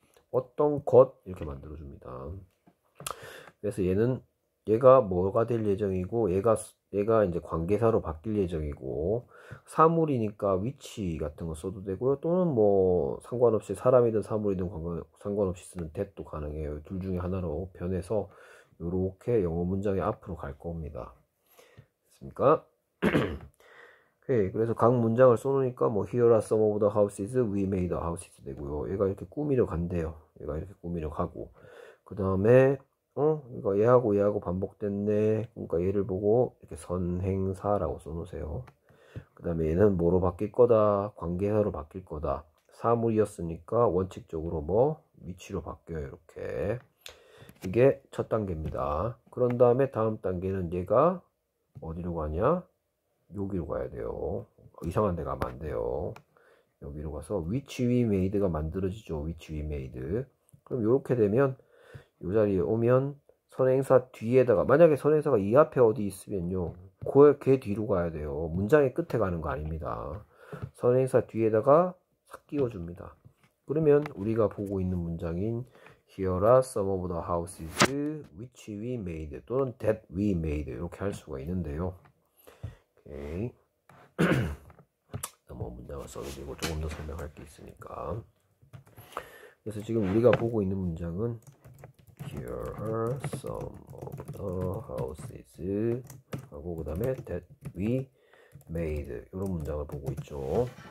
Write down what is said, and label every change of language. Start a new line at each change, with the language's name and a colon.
Korean: 어떤 것 이렇게 만들어 줍니다. 그래서 얘는 얘가 뭐가 될 예정이고 얘가 이제 관계사로 바뀔 예정이고 사물이니까 위치 같은 거 써도 되고요. 또는 뭐 상관없이 사람이든 사물이든 상관없이 쓰는 that도 가능해요. 둘 중에 하나로 변해서 요렇게 영어 문장이 앞으로 갈 겁니다. 됐습니까? 오케이. 그래서 각 문장을 써놓으니까 뭐
English: here are some of the houses we made the houses
Korean: 되고요. 얘가 이렇게 꾸미려 간대요. 얘가 이렇게 꾸미려 가고 그 다음에 이거 얘하고 얘하고 반복됐네. 그러니까 얘를 보고 이렇게 선행사라고 써놓으세요. 그 다음에 얘는 뭐로 바뀔 거다? 관계사로 바뀔 거다. 사물이었으니까 원칙적으로 뭐 위치로 바뀌어요. 이렇게 이게 첫 단계입니다. 그런 다음에 다음 단계는 얘가 어디로 가냐? 여기로 가야 돼요. 이상한 데 가면 안 돼요. 여기로 가서
English: which we made
Korean: 가 만들어지죠.
English: which we made.
Korean: 그럼 이렇게 되면 이 자리에 오면 선행사 뒤에다가 만약에 선행사가 이 앞에 어디 있으면요. 그걔 뒤로 가야 돼요. 문장의 끝에 가는 거 아닙니다. 선행사 뒤에다가 싹 끼워 줍니다. 그러면 우리가 보고 있는 문장인
English: Here are some of the houses which we made
Korean: 또는 that we made 이렇게 할 수가 있는데요. 오케이. 너무 문장을 써도 되고 조금 더 설명할 게 있으니까. 그래서 지금 우리가 보고 있는 문장은
English: Here are some of the houses
Korean: 하고 그 다음에
English: that we made
Korean: 이런 문장을 보고 있죠.